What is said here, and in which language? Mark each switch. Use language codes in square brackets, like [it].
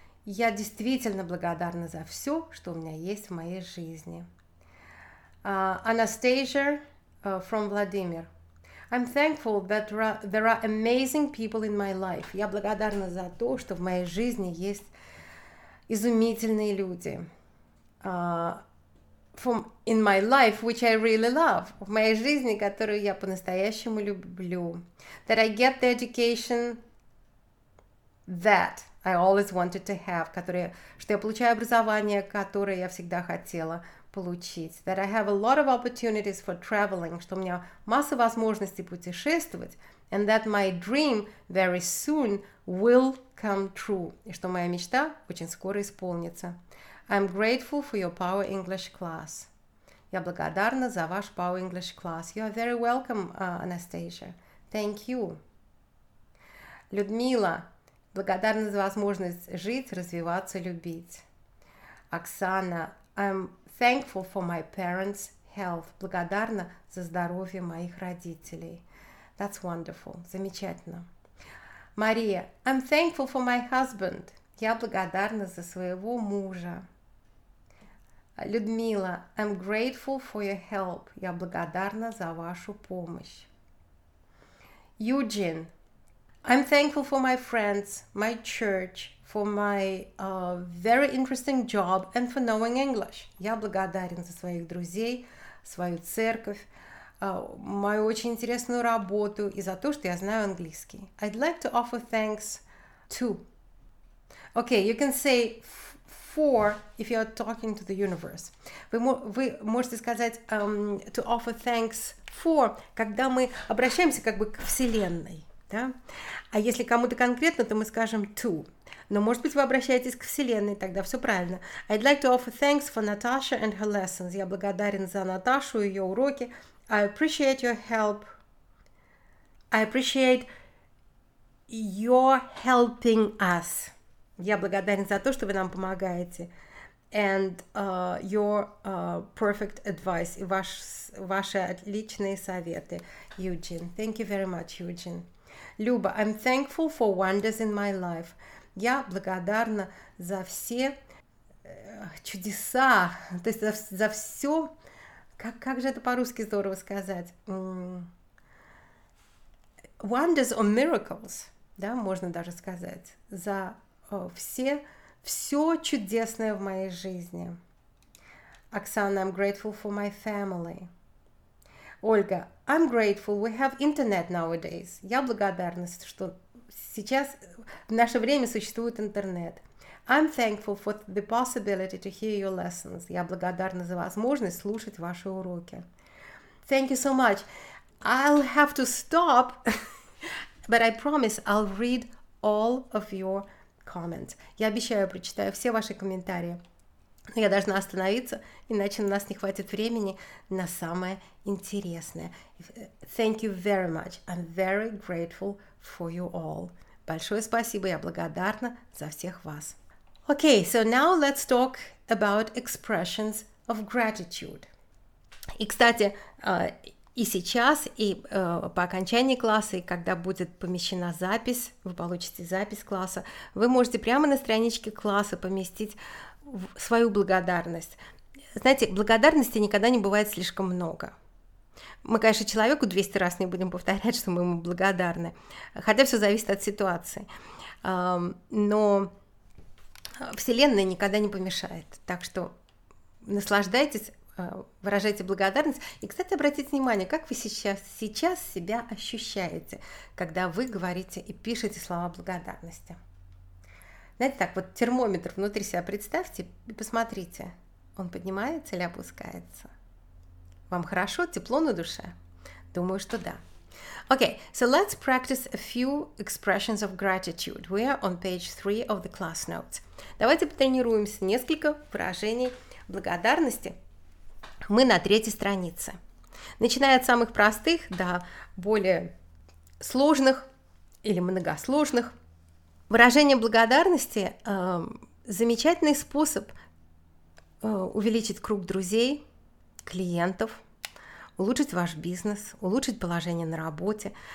[ru] Я действительно благодарна за все, что у меня есть в моей жизни. [en] Anastasia from Vladimir. I'm thankful that there are amazing people in my life. [ru] Я благодарна за то, что в моей жизни есть изумительные люди. [en] In my life, which I really love. [ru] В моей жизни, которую я по-настоящему люблю. [en] That I get the education that I always wanted to have, [ru] которые, что я получаю образование, которое я всегда хотела получить. [en] That I have a lot of opportunities for traveling, [ru] что у меня масса возможностей путешествовать. [en] And that my dream very soon will come true. [ru] И что моя мечта очень скоро исполнится. [en] I'm grateful for your Power English class. [ru] Я благодарна за ваш [en] Power English class. You are very welcome, Anastasia. Thank you. Людмила. [ru] Благодарна за возможность жить, развиваться, любить. [en] Оксана, I'm thankful for my parents' health. [ru] Благодарна за здоровье моих родителей. [en] That's wonderful. [ru] Замечательно. [en] Мария, I'm thankful for my husband. [ru] Я благодарна за своего мужа. [en] Людмила, I'm grateful for your help. [ru] Я благодарна за вашу помощь. [en] Юджин, I'm thankful for my friends, my church, for my very interesting job, and for knowing English. [ru] Я благодарен за своих друзей, свою церковь, мою очень интересную работу и за то, что я знаю английский. [en] I'd like to offer thanks too. Okay, you can say for, if you are talking to the universe. [ru] Вы можете сказать [en] to offer thanks for, [ru] когда мы обращаемся как бы к Вселенной. Да? А если кому-то конкретно, то мы скажем to. Но, может быть, вы обращаетесь к Вселенной, тогда все правильно. [en] I'd like to offer thanks for Natasha and her lessons. [ru] Я благодарен за Наташу и ее уроки. [en] I appreciate your help. I appreciate your helping us. [ru] Я благодарен за то, что вы нам помогаете. [en] And your perfect advice. [ru] И ваши отличные советы, Юджин. [en] Thank you very much, Юджин. Люба, I'm thankful for wonders in my life. [ru] Я благодарна за все чудеса, то есть за все, как же это по-русски здорово сказать? [en] Wonders or miracles, [ru] да, можно даже сказать, за все чудесное в моей жизни. [en] Оксана, I'm grateful for my family. Ольга, I'm grateful we have internet nowadays. [ru] Я благодарна, что сейчас в наше время существует интернет. [en] I'm thankful for the possibility to hear your lessons. [ru] Я благодарна за возможность слушать ваши уроки. [en] Thank you so much. I'll have to stop, but I promise I'll read all of your comments. [ru] Я обещаю, прочитаю все ваши комментарии. Я должна остановиться, иначе у нас не хватит времени на самое интересное. [en] Thank you very much. I'm very grateful for you all. [ru] Большое спасибо, я благодарна за всех вас. [en] Okay, so now let's talk about expressions of gratitude. [ru] И, кстати, и сейчас, и по окончании класса, и когда будет помещена запись, вы получите запись класса, вы можете прямо на страничке класса поместить свою благодарность. Знаете, благодарности никогда не бывает слишком много. Мы, конечно, человеку 200 раз не будем повторять, что мы ему благодарны, хотя все зависит от ситуации. Но Вселенная никогда не помешает. Так что наслаждайтесь, выражайте благодарность. И, кстати, обратите внимание, как вы сейчас себя ощущаете, когда вы говорите и пишете слова благодарности. Знаете, так вот термометр внутри себя представьте и посмотрите, он поднимается или опускается. Вам хорошо, тепло на душе? Думаю, что да. [en] Okay, so let's practice a few expressions of gratitude. We are on page 3 of the class notes. [ru] Давайте потренируемся. Несколько выражений благодарности. Мы на третьей странице. Начиная от самых простых до более сложных или многосложных. Выражение благодарности – замечательный способ увеличить круг друзей, клиентов, улучшить ваш бизнес, улучшить положение на работе.